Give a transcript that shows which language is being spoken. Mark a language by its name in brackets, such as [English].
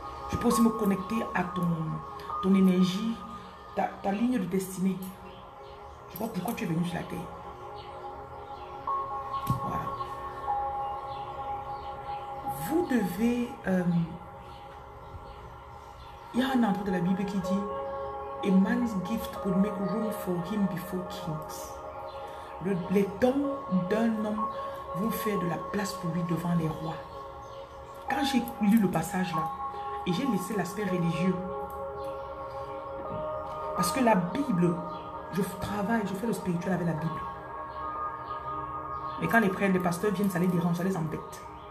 [French] Je peux aussi me connecter à ton énergie, ta ligne de destinée. Je vois pourquoi tu es venu sur la terre. Voilà. Vous devez... Il y a un endroit de la Bible qui dit... [English] A man's gift could make room for him before kings. [French] Les dons d'un homme vont faire de la place pour lui devant les rois. Quand j'ai lu le passage là, et j'ai laissé l'aspect religieux, parce que la Bible Je travaille, je fais le spirituel avec la Bible. Mais quand les prêtres, les pasteurs viennent, ça les dérange, ça les embête.